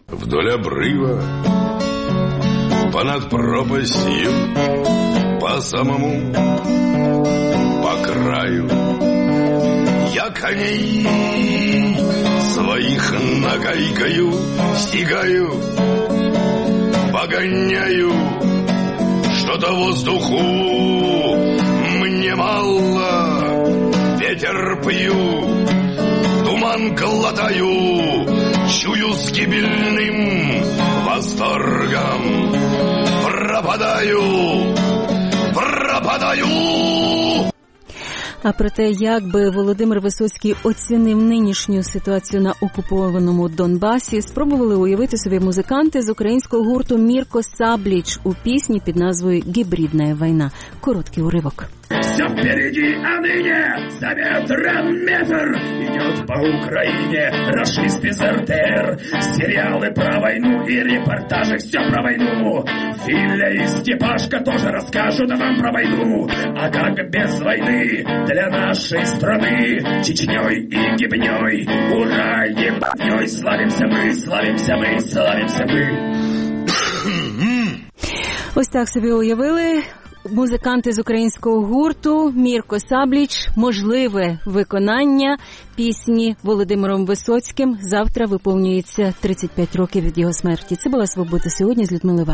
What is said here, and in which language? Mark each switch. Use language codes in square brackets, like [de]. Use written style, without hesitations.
[ru] Вдоль обрива, понад пропастью, по самому, по краю, я коней [uk] своїх [ru] нагайкою стігаю. Погоняю, что-то воздуху мне мало, ветер пью, туман глотаю, чую с гибельным восторгом, пропадаю, пропадаю. [uk] А про те, як би Володимир Висоцький оцінив нинішню ситуацію на окупованому Донбасі, спробували уявити собі музиканти з українського гурту «Мірко Сабліч» у пісні під назвою «Гібридна війна». Короткий уривок. [ru] Все впереди, а ныне за метром метр идет по Украине расист без РТР. Сериалы про войну и репортажи все про войну. Филя и Степашка тоже расскажут вам про войну. А как без войны для нашей страны Чечней и Гибней, ура, ебанёй, славимся мы, славимся мы, славимся мы. [uk] Ось так себе уявили музиканти з українського гурту «Мірко Сабліч» можливе виконання пісні Володимиром Висоцьким. Завтра виповнюється 35 років від його смерті. Це була «Свобода сьогодні» з Людмилою Ван.